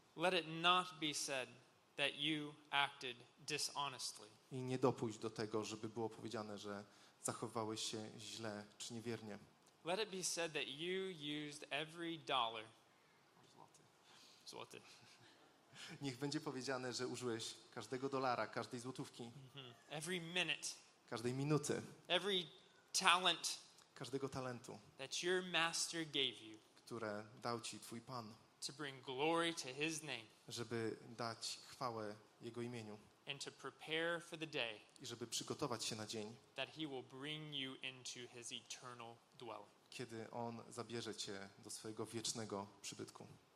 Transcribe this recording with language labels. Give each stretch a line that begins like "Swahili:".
English: Let it not be said that you acted dishonestly.
Polish: I nie dopuść do tego, żeby było powiedziane, że zachowywałeś się źle czy niewiernie.
English: Let it be said that you used every dollar.
Polish: Złoty. Niech będzie powiedziane, że użyłeś każdego dolara, każdej złotówki,
English: every minute,
Polish: każdej minuty,
English: every talent,
Polish: każdego talentu,
English: that your master gave you,
Polish: które dał ci twój pan,
English: to bring glory to his name,
Polish: żeby dać chwałę jego imieniu,
English: and to prepare for the day,
Polish: i żeby przygotować się na dzień,
English: that he will bring you into his eternal dwelling,
Polish: kiedy on zabierze cię do swojego wiecznego przybytku.